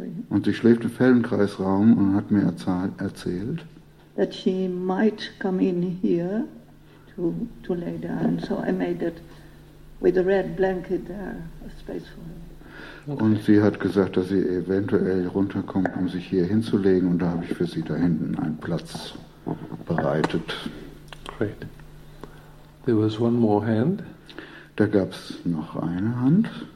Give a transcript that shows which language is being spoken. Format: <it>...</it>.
<de>Und sie schläft im Feldenkraisraum und hat mir erzählt,</de> <en>that she might come in here to lay down. So I made that with a red blanket there, a space for her.</en> <de>Und sie hat gesagt, dass sie eventuell runterkommt, um sich hier hinzulegen. Und da habe ich für sie da hinten einen Platz bereitet.</de> <en>Great. There was one more hand.</en> <de>Da gab es noch eine Hand.</de>